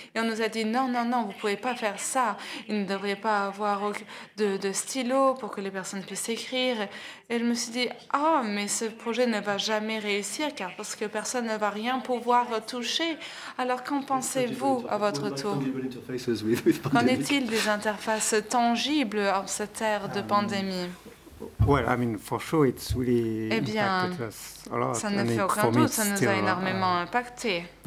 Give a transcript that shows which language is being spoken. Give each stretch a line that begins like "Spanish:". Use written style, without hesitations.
French: Et on nous a dit, non, vous ne pouvez pas faire ça. Il ne devrait pas avoir de stylo pour que les personnes puissent écrire. Et je me suis dit, mais ce projet ne va jamais réussir car parce que personne ne va rien pouvoir toucher. Alors, qu'en pensez-vous à votre tour? Qu'en est-il des interfaces tangibles en cette ère de pandémie?
English: Well, I mean, for sure, it's really impacted us a lot.
French: Ça ne fait aucun doute, ça nous a énormément impacté.